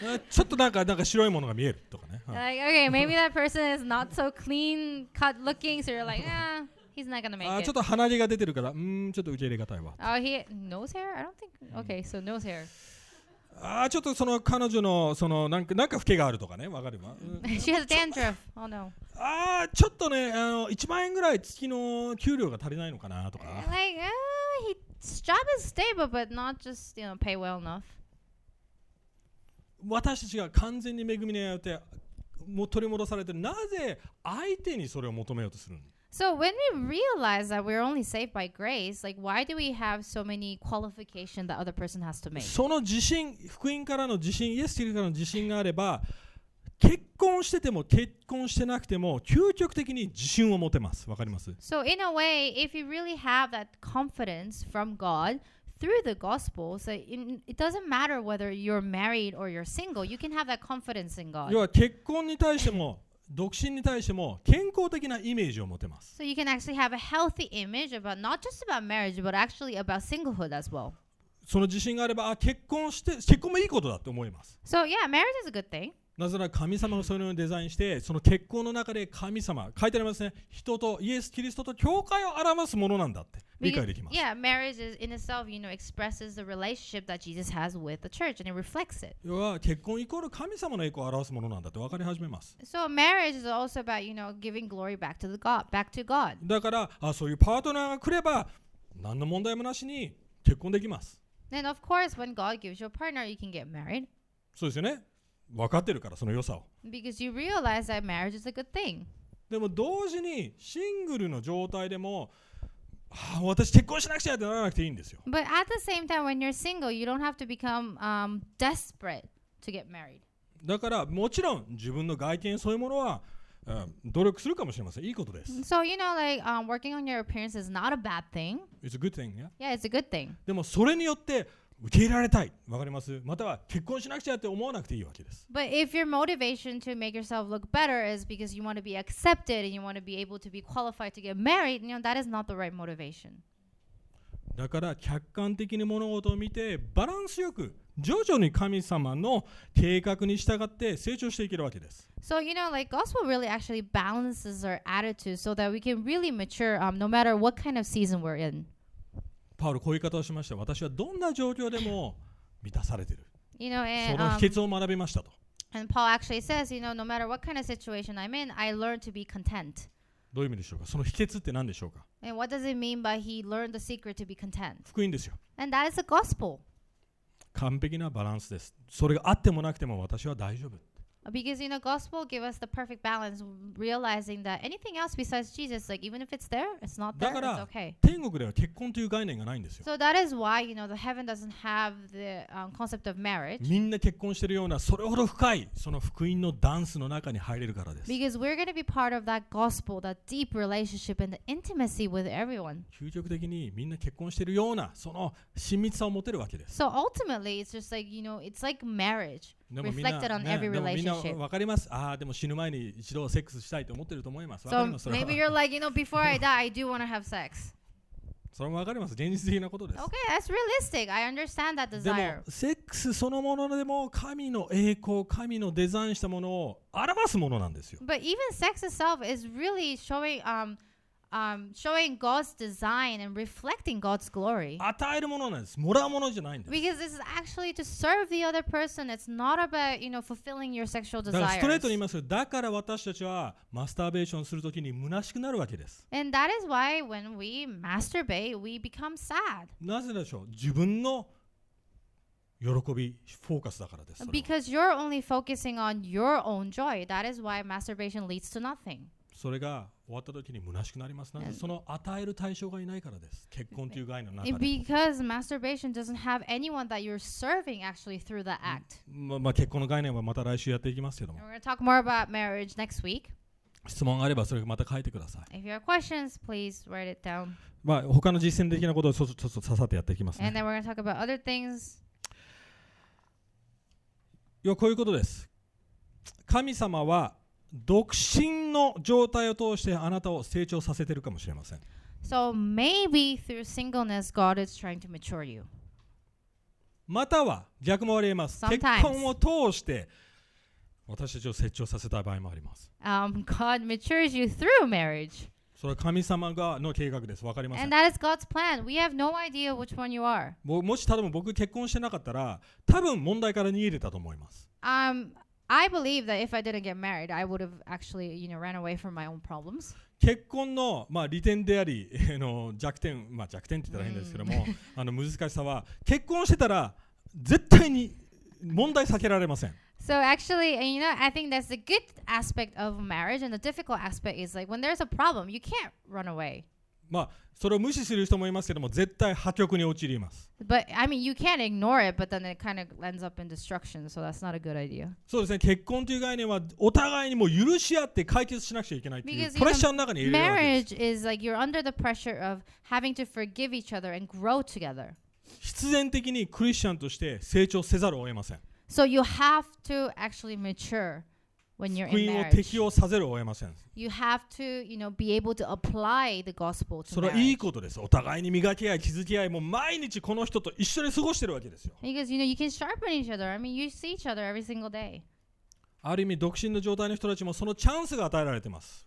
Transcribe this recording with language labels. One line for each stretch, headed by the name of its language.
Japanese: ちょっとなんか白いものが見えるとかね。
English: Like, okay, maybe that person is not so clean cut looking, so you're like, yeah, he's not gonna make it.
Japanese: ちょっと鼻毛が出てるから、ちょっと受け入れがたいわ。
English: Nose hair? I don't think. Okay, so nose hair.
Japanese: ああちょっとその彼女のそのなんか不景があるとかね、わかるわ。
English: She has dandruff. Oh no.
Japanese: ああちょっとね、あの1万円ぐらい月の給料が足りないのかなとか。
English: Like, his job is stable, but not just, you know, pay well enough.
Japanese: 私たちが完全に恵みに遭って、もう取り戻されてる。なぜ相手にそれを求めようとするの？
English: So when we realize that we're only saved by grace, like why do we have so many qualifications that other person has to make?
Japanese: その自信、福音からの自信、イエス・キリストからの自信があれば、結婚してても結婚してなくても究極的に自信を持てます。わかります？
English: So in a way, if you really have that confidence from God through the gospel, so it doesn't matter whether you're married or you're single, you can have that confidence in God.
Japanese: 要は結婚に対しても独身に対しても健康的なイメージを持てます。
English: So you can actually have a healthy image about not just about marriage, but actually about singlehood as well.
Japanese: その自信があれば、あ、結婚して、結婚もいいことだと思います。
English: So yeah, marriage is a good thing.
Japanese: なぜなら神様がそのようにデザインして、その結婚の中で神様、書いてありますね、人とイエス・キリストと教会を表すものなんだって理解できます。
English: Yeah, marriage is in itself, you know, expresses the relationship that Jesus has with the church, and it reflects it.
Japanese: 要は結婚イコール神様の栄光を表すものなんだって分かり始めます。
English: So marriage is also about, you know, giving glory back to the God, back to God.
Japanese: だから、あ、そういうパートナーが来れば、何の問題もなしに結婚できます。
English: Then of course, when God gives you a partner, you can get married.
Japanese: そうですよね。分かってるからその良さを。
English: Because you realize that marriage is a good thing.
Japanese: でも同時にシングルの状態でも、はあ、私結婚しなくちゃってならなくていいんですよ。
English: But at the same time, when you're single, you don't have to become desperate to get married.
Japanese: だからもちろん自分の外見そういうものは、努力するかもしれません。いいことです。
English: So you know, like working on your appearance is not a bad thing. It's a good thing, yeah. Yeah, it's a good thing.
Japanese: でもそれによって受け入れられたい、わかります？または結婚しなくちゃって思わなくていいわけです。
English: But if your motivation to make yourself look better is because you want to be accepted and you want to be able to be qualified to get married, you know, that is not the right motivation.
Japanese: だから客観的に物事を見てバランスよく徐々に神様の計画に従って成長していけるわけです。
English: So you know, like gospel really actually balances our attitude so that we can really mature, no matter what kind of season we're in.
Japanese: パウロこういう言い方をしました。私はどんな状況でも満たされている。
English: You know, and,
Japanese: その秘訣を学びましたと。
English: And Paul actually says, you know, no matter what kind of situation I'm in, I learn to be content.
Japanese: どういう意味でしょうか。その秘訣って何でしょうか。
English: And what does it mean by he learned the secret to be content?
Japanese: 福音ですよ。
English: And that is the gospel.
Japanese: 完璧なバランスです。それがあってもなくても私は大丈夫。
English: Because, you know, gospel gives us the perfect balance, realizing that anything else besides Jesus, like even if it's there, it's not there, it's okay.
Japanese: 天国では結婚という概念がないんですよ。
English: So that is why, you know, the heaven doesn't have the concept of marriage.
Japanese: みんな結婚してるような、それほど深い、その福音のダンスの中に入れるからです。
English: Because we're going to be part of that gospel, that deep relationship and the intimacy with everyone.
Japanese: 究極的にみんな結婚してるような、その親密さを持てるわけです。
English: So ultimately, it's just like, you know, it's like marriage. Reflected on every relationship. So maybe you're like, you know, before I die, I do want to have sex.
Japanese: それもわかります。現実的なことです。
English: Okay, that's realistic. I understand that desire.
Japanese: でも、セックスそのものでも神の栄光、神のデザインしたものを表すものなんですよ。
English: But even sex itself is really showing, showing God's design and reflecting God's glory.
Japanese: 与えるものなんです。もらうものじゃないんです。
English: Because this is actually to serve the other person. It's not about, you know, fulfilling your sexual desires.
Japanese: だからストレートに言いますよ。だから私たちはマスターベーションするときに虚しくなるわけです。
English: And that is why when we masturbate, we become sad.
Japanese: なぜでしょう。自分の喜びフォーカスだからです。
English: Because you're only focusing on your own joy. That is why masturbation leads to nothing.
Japanese: それが終わった時に虚しくなります。なんでその与える対象がいないからです。結婚という概念の中で。
English: Because masturbation doesn't have anyone that you're serving actually through the act.
Japanese: まあ結婚の概念はまた来週やっていきますけども。
English: We're going to talk more about marriage next week.
Japanese: 質問があればそれまた書いてください。
English: If you have questions, please write it down.
Japanese: まあ他の実践的なことをちょっとささってやっていきますね。
English: And then we're going to talk about other things.
Japanese: 要はこういうことです。神様は独身の状態を通してあなたを成長させているかもしれません。
English: So maybe through singleness, God is trying to mature you.
Japanese: または逆もあります。
English: Sometimes.
Japanese: 結婚を通して私たちを成長させた場合もあります。
English: God matures you through marriage.
Japanese: それは神様がの計画です。わかりません。
English: And that is God's plan. We have no idea which one you are.
Japanese: もし例えば僕結婚してなかったら、多分問題から逃げれたと思います。
English: I believe that if I didn't get married, I would have actually, you know, ran away from my own problems.
Japanese: 結婚の、まあ、利点であり、弱点、まあ、弱点って言ったら変ですけども、難しさは、結婚してたら絶対に問題避けられません。
English: So actually, you know, I think that's the good aspect of marriage, and the difficult aspect is like when there's a problem, you can't run away.
Japanese: まあ、それを無視する人もいますけども、絶対破局に陥ります。
English: But I mean, you can't ignore it, but then it kind of ends up in destruction, so that's not a good idea.
Japanese: そうですね、結婚という概念はお互いにも許し合って解決しなくちゃいけないというプレッシャーの中にいるわけです。
English: Marriage is like you're under the pressure of having to forgive each other and grow together.
Japanese: 必然的にクリスチャンとして成長せざるを得ません。
English: So you have to actually mature when you're in marriage.
Japanese: 福音を適用させるを得ません。
English: You have to, you know, be able to apply the gospel to marriage.
Japanese: それはいいことです。お互いに磨き合い、気づき合い、もう毎日この人と一緒に過ごしてるわけですよ。
English: Because, you know, you can sharpen each other. I mean, you see each other every single day.
Japanese: ある意味独身の状態の人たちもそのチャンスが与えられてます。